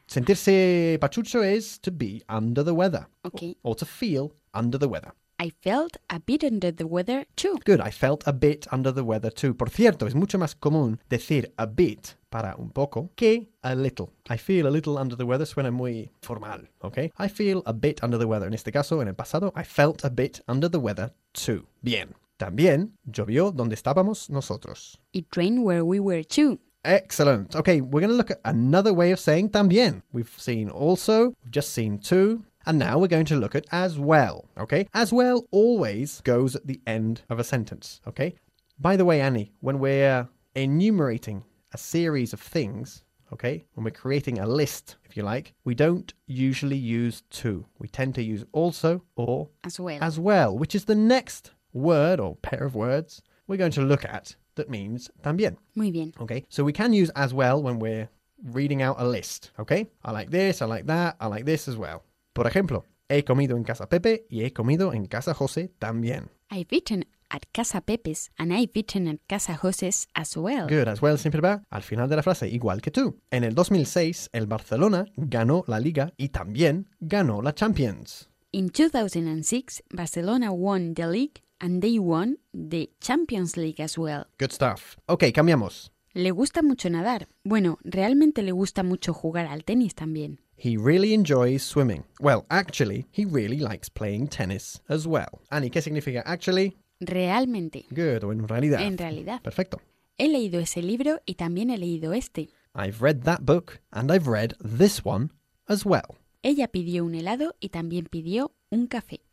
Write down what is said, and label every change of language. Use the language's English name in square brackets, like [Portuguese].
[Spanish] Sentirse pachucho [English] is to be under the weather. Okay. Or to feel under the weather. I felt a bit under the weather too. Good, I felt a bit under the weather too. [Spanish] Por cierto, es mucho más común decir [English] a bit [Spanish] para un poco que [English] a little. I feel a little under the weather [Spanish] suena muy formal, [English] okay? I feel a bit under the weather. [Spanish] En este caso, en el pasado, [English] I felt a bit under the weather too. [Spanish] Bien. También llovió donde estábamos nosotros. [English] It rained where we were too. Excellent. Okay, we're going to look at another way of saying también. We've seen also, we've just seen too. And now we're going to look at as well, okay? As well always goes at the end of a sentence, okay? By the way, Annie, when we're enumerating a series of things, okay, when we're creating a list, if you like, we don't usually use to. We tend to use also or as well, which is the next word or pair of words we're going to look at that means también. [Spanish] Muy bien. [English] Okay, so we can use as well when we're reading out a list, okay? I like this, I like that, I like this as well. [Spanish] Por ejemplo, he comido en casa Pepe y he comido en casa José también. [English] I've eaten at casa Pepe's and I've eaten at casa José's as well. Good, [Spanish] as well siempre va al final de la frase, igual que tú. En el 2006, el Barcelona ganó la Liga y también ganó la Champions. [English] In 2006, Barcelona won the league and they won the Champions League as well. Good stuff. Okay, [Spanish] cambiamos. Le gusta mucho nadar. Bueno, realmente le gusta mucho jugar al tenis también. [English] He really enjoys swimming. Well, actually, he really likes playing tennis as well. [Spanish] Annie, ¿qué significa actually? Realmente. [English] Good, [Spanish] o en realidad. En realidad. Perfecto. He leído ese libro y también he leído este. [English] I've read that book and I've read this one as well. [Spanish] Ella pidió un helado y también pidió un café.